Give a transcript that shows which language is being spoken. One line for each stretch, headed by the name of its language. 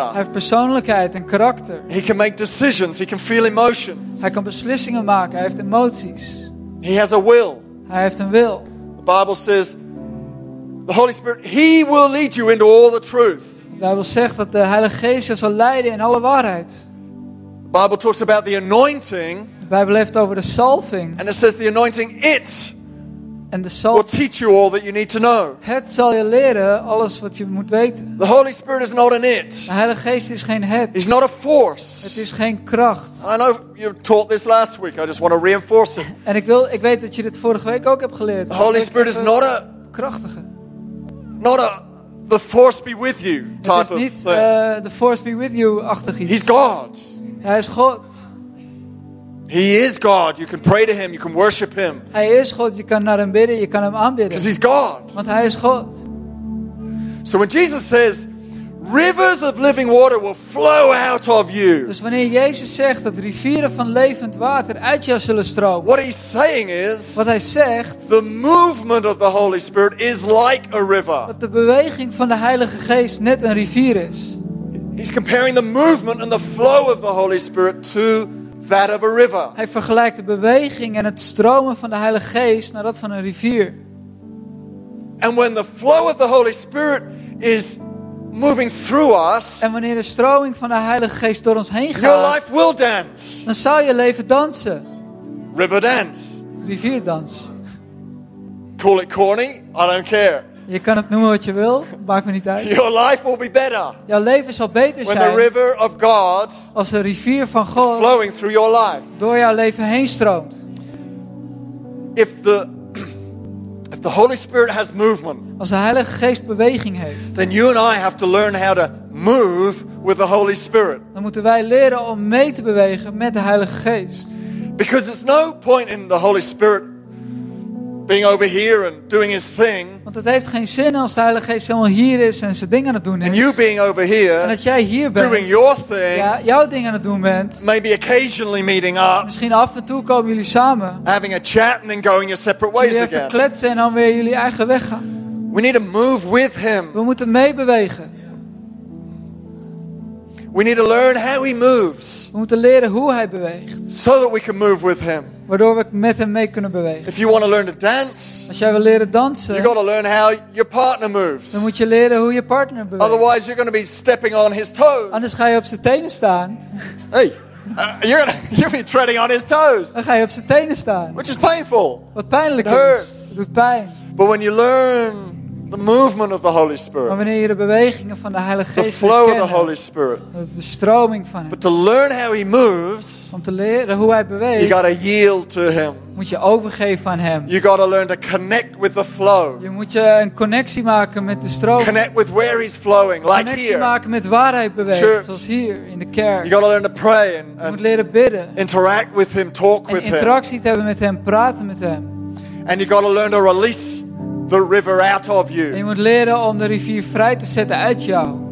Dutch: Hij heeft persoonlijkheid en karakter.
English: He can make decisions. He can feel emotions.
Dutch: Hij kan beslissingen maken. Hij heeft emoties.
English: He has a will.
Dutch: Hij heeft een wil.
English: The Bible says, the Holy Spirit, he will lead you into all the truth.
Dutch: De Bijbel zegt dat de Heilige Geest je zal leiden in alle waarheid.
English: The Bible talks about the anointing.
Dutch: De Bijbel heeft over de salving.
English: And it says the anointing it. And the soul will teach you all that you need to know.
Dutch: Het zal je leren alles wat je moet weten.
English: The Holy Spirit is not an it.
Dutch: De Heilige Geest is geen het.
English: He's not a force.
Dutch: Het is geen kracht.
English: I know you taught this last week. I just want to reinforce it.
Dutch: En ik weet dat je dit vorige week ook hebt geleerd.
English: The Holy Spirit is not a
Dutch: krachtige.
English: Not a the force be with you type of thing.
Dutch: Het is niet
English: the force be with you
Dutch: achtig iets.
English: He's God.
Dutch: Hij is God.
English: He is God. You can pray to him. You can worship him.
Dutch: Hij is God. Je kan naar hem bidden. Je kan hem aanbidden.
English: Because he's God.
Dutch: Want hij is God.
English: So when Jesus says, rivers of living water will flow out of you.
Dutch: Dus wanneer Jezus zegt dat rivieren van levend water uit jou zullen stromen.
English: What he's saying is,
Dutch: wat hij zegt,
English: the movement of the Holy Spirit is like a river.
Dutch: Dat de beweging van de Heilige Geest net een rivier is.
English: He's comparing the movement and the flow of the Holy Spirit to that of a river.
Dutch: Hij vergelijkt de beweging en het stromen van de Heilige Geest naar dat van een rivier.
English: And when the flow of the Holy Spirit is moving through us,
Dutch: en wanneer de stroming van de Heilige Geest door ons heen gaat,
English: your life will dance.
Dutch: Dan zal je leven dansen.
English: River dance.
Dutch: Rivierdans.
English: Call it corny, I don't care.
Dutch: Je kan het noemen wat je wil, maakt me niet uit.
English: Your life will be better.
Dutch: Jouw leven zal beter
English: when
Dutch: zijn.
English: The river of God,
Dutch: als de rivier van God
English: flowing through your life,
Dutch: door jouw leven heen stroomt.
English: If the Holy Spirit has movement,
Dutch: als de Heilige Geest beweging heeft,
English: then you and I have to learn how to move with the Holy Spirit.
Dutch: Dan moeten wij leren om mee te bewegen met de Heilige Geest.
English: Because there's no point in the Holy Spirit being over here and doing his thing.
Dutch: Want het heeft geen zin als de Heilige Geest helemaal hier is en zijn ding aan het doen is.
English: And you being over here,
Dutch: en als jij hier bent,
English: doing your thing,
Dutch: ja, jouw ding aan het doen bent.
English: Maybe occasionally meeting up.
Dutch: Misschien af en toe komen jullie samen.
English: Having a chat and then going your separate ways
Dutch: weer
English: again.
Dutch: Weer kletsen en dan weer jullie eigen weg gaan.
English: We need to move with him.
Dutch: We moeten meebewegen.
English: We need to learn how he moves.
Dutch: We moeten leren hoe hij beweegt.
English: So that we can move with him.
Dutch: Waardoor we met hem mee kunnen bewegen.
English: If you want to learn to dance,
Dutch: als jij wil leren dansen,
English: you got to learn how your partner moves.
Dutch: Dan moet je leren hoe je partner beweegt.
English: Otherwise you're going to be stepping on his toes.
Dutch: Anders ga je op zijn tenen staan.
English: Hey, you're going to be treading on his toes.
Dutch: Dan ga je op zijn tenen staan.
English: Which is painful.
Dutch: Wat pijnlijk
English: it hurts.
Dutch: Is. Het doet pijn.
English: But when you learn the movement of the Holy Spirit,
Dutch: maar wanneer je de bewegingen van de Heilige Geest
English: the flow
Dutch: kennen,
English: of the Holy Spirit,
Dutch: dat is de stroming van hem.
English: But to learn how he moves,
Dutch: om te leren hoe hij beweegt,
English: you gotta yield to him.
Dutch: Moet je overgeven aan hem.
English: You gotta learn to connect with the flow.
Dutch: Je moet je een connectie maken met de stroom.
English: Connect with where he's flowing, like
Dutch: connectie
English: here.
Dutch: Maken met waar hij beweegt,
English: church.
Dutch: Zoals hier in de kerk.
English: You gotta learn to pray and,
Dutch: je moet leren bidden.
English: Interact with him, talk with
Dutch: en interactie
English: him.
Dutch: Te hebben met hem, praten met hem.
English: And you gotta learn to release the river out of you.
Dutch: En je moet leren om de rivier vrij te zetten uit jou.